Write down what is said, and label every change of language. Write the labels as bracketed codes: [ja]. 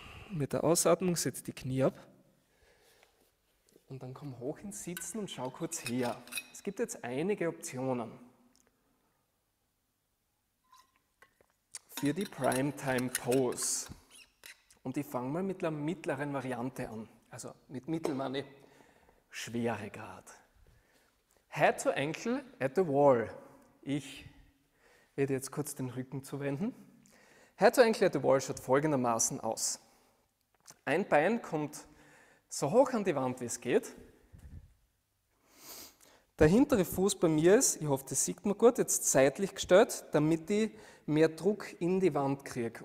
[de] Mit der Ausatmung setz die Knie ab. Und dann komm hoch ins Sitzen und schau kurz her. Es gibt jetzt einige Optionen. Für die Primetime Pose. Und ich fange mal mit der mittleren Variante an. Also mit Mittelmanne, Schweregrad. [en] Head to ankle at the wall. [de] Ich werde jetzt kurz den Rücken zuwenden. [en] Head to ankle at the wall [de] schaut folgendermaßen aus. Ein Bein kommt so hoch an die Wand, wie es geht. Der hintere Fuß bei mir ist, ich hoffe, das sieht man gut, jetzt seitlich gestellt, damit ich mehr Druck in die Wand kriege.